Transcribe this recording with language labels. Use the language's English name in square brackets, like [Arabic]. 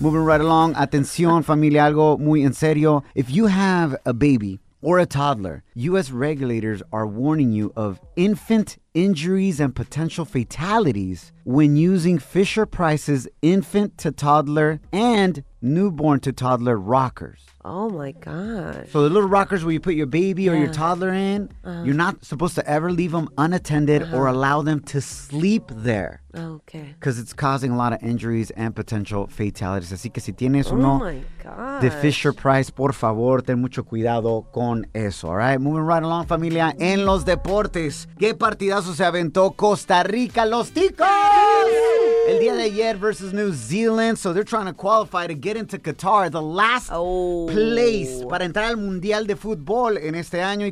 [English] Moving right along, [Spanish] atención, familia, algo muy en serio. [English] If you have a baby, or a toddler, U.S. regulators are warning you of infant injuries and potential fatalities when using Fisher-Price's infant-to-toddler and newborn-to-toddler rockers. Oh, my gosh. So the little rockers where you put your baby or your toddler in, you're not supposed to ever leave them unattended or allow them to sleep there. Okay. Because it's causing a lot of injuries and potential fatalities. [Spanish] Así que si tienes de Fisher-Price, por favor, ten mucho cuidado con eso, [English] all right? Moving right along, [Spanish] familia, en los deportes. ¿Qué partidazo se aventó Costa Rica, los Ticos? El día de ayer [English] versus New Zealand. So they're trying to qualify to get into Qatar, the last place [Spanish] para entrar al Mundial de Fútbol en este año.